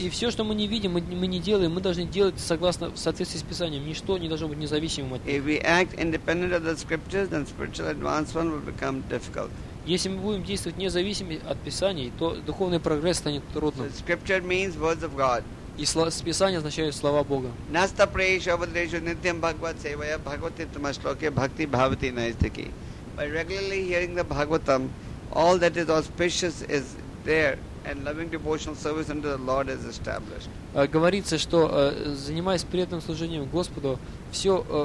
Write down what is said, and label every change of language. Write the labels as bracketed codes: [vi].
[ru] И все, что мы не видим, мы не делаем, мы должны делать согласно в соответствии с Писанием. Ничто не должно быть независимым от них. [en] If we act independent of the scriptures, then spiritual advancement will become difficult. [ru] Если мы будем действовать независимо от Писаний, то духовный прогресс станет трудным. [en] So scripture means words of God. [ru] И Писание означает слова Бога. [sa] Наста прейша вадрешу нитям бхагват севая бхагвати тамашлоке бхакти бхавати наистики. [en] By regularly hearing the Bhagavatam, all that is auspicious is there, and loving devotional service unto the Lord is established. [ru] Говорится, что занимаясь преданным служением Господу, все...